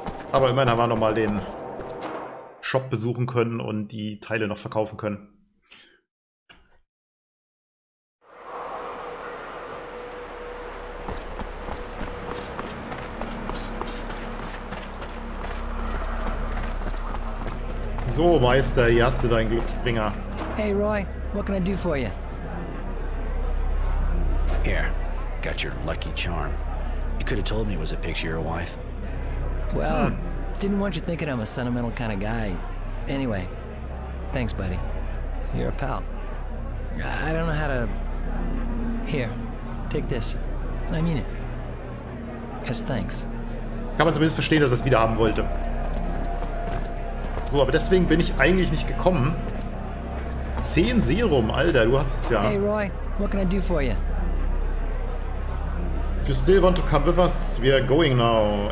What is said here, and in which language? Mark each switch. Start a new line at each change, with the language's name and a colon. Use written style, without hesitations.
German: Aber immerhin haben wir nochmal den Shop besuchen können und die Teile noch verkaufen können. So, Meister, hier hast du deinen Glücksbringer.
English: Hey Roy, what can I do for you? Here, got your lucky charm. You could have told me it was a picture of your wife. Well, didn't want you thinking I'm a sentimental kind of guy. Anyway, thanks, buddy. You're a pal. I don't know how to... Here, take this. I mean it. As thanks.
German: Kann man zumindest verstehen, dass er es wieder haben wollte. So, aber deswegen bin ich eigentlich nicht gekommen. 10 Serum, Alter, du hast es ja.
English: Hey Roy, what can I do for you? If you still want to come with us, we are going now.